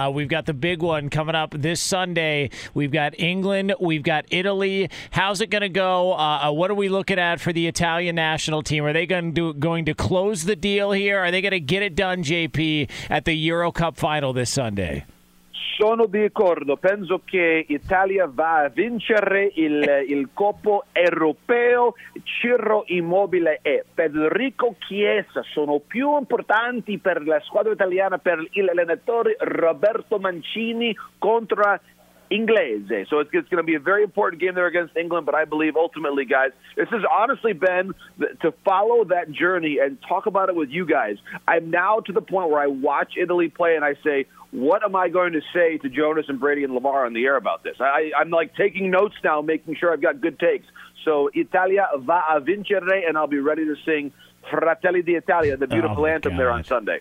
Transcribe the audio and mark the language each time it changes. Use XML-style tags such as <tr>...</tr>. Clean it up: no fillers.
<en>We've got the big one coming up this Sunday. We've got England. We've got Italy. How's it going to go? What are we looking at for the Italian national team? Are they going to close the deal here? Are they going to get it done, JP, at the Euro Cup final this Sunday?</en> <it>Sono d'accordo. Penso che Italia va a vincere il Coppa Europeo. Ciro Immobile e Federico Chiesa sono più importanti per la squadra italiana, per il allenatore Roberto Mancini contro Inglese.</it> <en>So it's going to be a very important game there against England, but I believe ultimately, guys, this has honestly been to follow that journey and talk about it with you guys. I'm now to the point where I watch Italy play and I say, what am I going to say to Jonas and Brady and Lamar on the air about this? I'm like taking notes now, making sure I've got good takes. So</en> <it>Italia va a vincere,</it> <en>and I'll be ready to sing Fratelli d'Italia, the beautiful anthem there on Sunday.</en>